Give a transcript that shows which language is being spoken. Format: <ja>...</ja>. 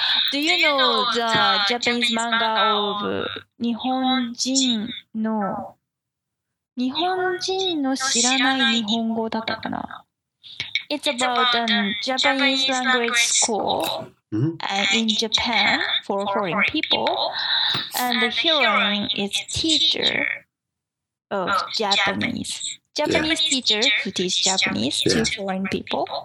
<en>Do you know the Japanese manga of Nihonjin no?</en> <ja>日本人の知らない日本語だったかな。</ja> <en>It's about a Japanese language school in Japan for foreign people. And the heroine is teacher of Japanese. Japanese teacher who teach Japanese to foreign people.</en>